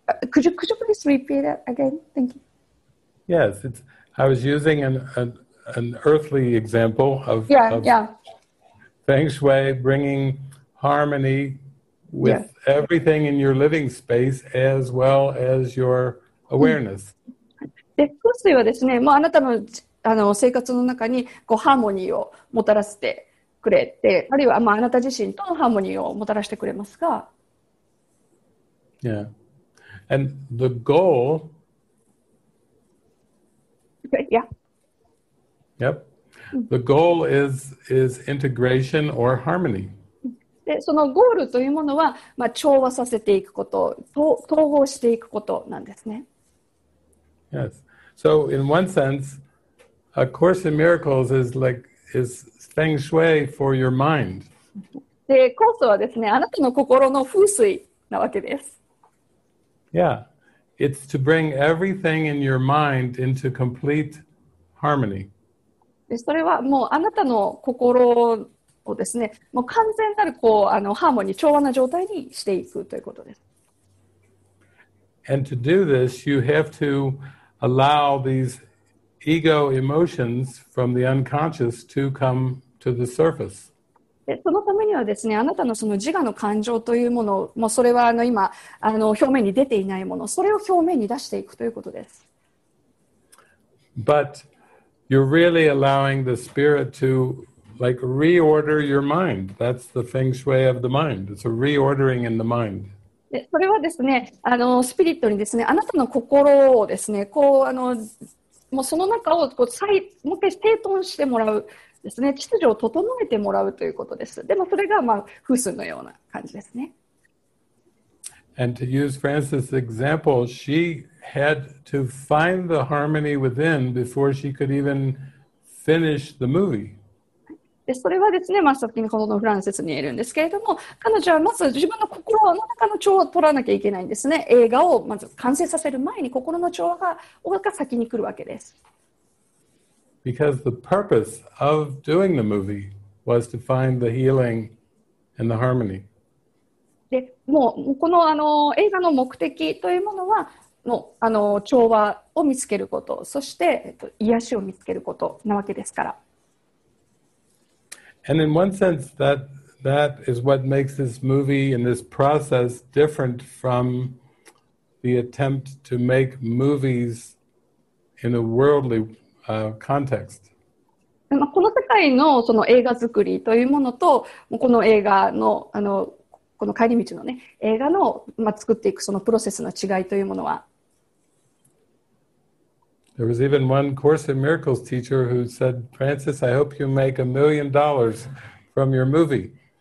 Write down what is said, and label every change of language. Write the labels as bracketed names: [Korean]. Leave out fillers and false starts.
[English] Could you please repeat that again? Thank you. Yes, I was using an an earthly example of, feng shui bringing harmony with everything in your living space as well as your awareness. [Japanese] で、風水はですね、もうあなたの、あの生活の中にこうハーモニーをもたらしてくれて、あるいは、まあ、あなた自身とのハーモニーをもたらしてくれますか。 [English] Yeah. And the goal. Yeah. Yep. The goal is integration or harmony. [Japanese] で、そのゴールというものは、まあ、調和させていくこと、統合していくことなんですね。 [English] Yes. So in one sense, A Course in Miracles is like is feng shui for your mind. [Japanese] で、コースはですね、あなたの心の風水なわけです。 [English] Yeah, it's to bring everything in your mind into complete harmony. [Japanese] で、それはもうあなたの心をですね、もう完全なるこうあのハーモニー調和な状態にしていくということです。 [English] And to do this, you have to allow these ego emotions from the unconscious to come to the surface. [Japanese] で、そのためにはですね、あなたのその自我の感情というもの、もうそれはあの今あの表面に出ていないもの、それを表面に出していくということです。 [English] But you're really allowing the spirit to like reorder your mind. That's the feng shui of the mind. It's a reordering in the mind. [Japanese] で、それはですね、あのスピリットにですね、あなたの心をですね、こうあのもうその中をこう再もう一回整頓してもらうですね、秩序を整えてもらうということです。でもそれがまあ風水のような感じですね。 [English] And to use Frances' example, she had to find the harmony within before she could even finish the movie. [Japanese] で、それはですね、まあ、先にこのフランセスに言えるんですけれども、彼女はまず自分の心の中の調和を取らなきゃいけないんですね。映画をまず完成させる前に心の調和が先に来るわけです。 [English] Because the purpose of doing the movie was to find the healing and the harmony. [Japanese] で、もうこの、 あの映画の目的というものは、もうあの調和を見つけること、そして、癒しを見つけることなわけですから。 [English] And in one sense, that is what makes this movie and this process different from the attempt to make movies in a worldly context. [Japanese] この世界のその映画作りというものと、この映画の、あの、この帰り道のね、映画の、まあ、作っていくそのプロセスの違いというものは。 [English] There was even one Course in Miracles teacher who said, Francis, I hope you make $1 million from your movie.